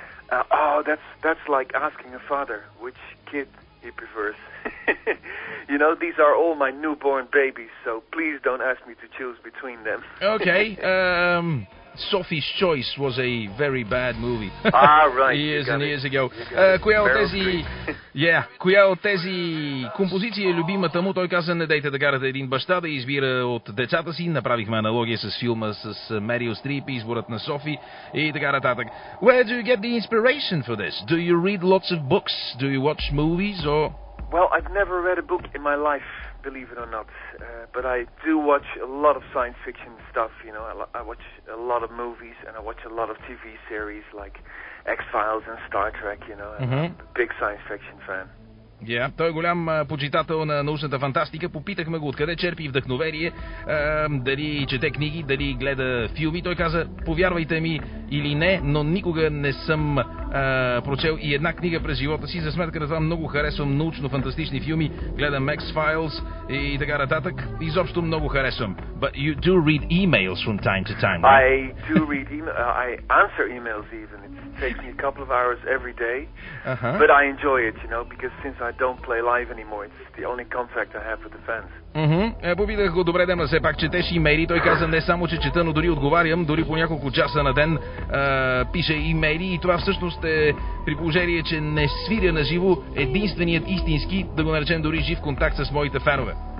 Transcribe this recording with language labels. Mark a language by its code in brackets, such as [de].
[en] That's like asking a father which kid he prefers. You know, these are all my newborn babies, so please don't ask me to choose between them. Okay, Sophie's Choice was a very bad movie. Ah, right. Years and it. Years ago. [bg] Коя от тези... Yeah, коя от тези композиции е любимата му? Той каза, не дейте да карате един баща да избира от децата си. Направихме аналогия с филма с Мерил Стрип, изборът на Софи и така нататък. [en] Where do you get the inspiration for this? Do you read lots of books? Do you watch movies? Or... Well, I've never read a book in my life, believe it or not. But I do watch a lot of science fiction stuff, you know. I watch a lot of movies and I watch a lot of TV series like X-Files and Star Trek, you know. Mm-hmm. I'm a big science fiction fan. [bg] Yeah, той е голям почитател на научната фантастика. Попитахме го откъде черпи вдъхновение, дали чете книги, дали гледа филми. Той каза, повярвайте ми или не, но никога не съм прочел и една книга през живота си. За сметка на това много харесвам научно-фантастични филми. Гледам X-Files и така нататък. Изобщо много харесвам. [en] But you do read emails from time to time. Right? I do read emails. I answer emails even. It takes me a couple of hours every day. Uh-huh. But I enjoy it, you know, because since I don't play live anymore. It's the only contact I have with the fans. [bg] Mm-hmm. Попитах го, добре, дема все пак четеш имейли. Той каза, не само, че чета, но дори отговарям, дори по няколко часа на ден пише имейли. И това всъщност е при положение, че не свиря на живо единственият истински, да го наречем дори жив контакт с моите фенове.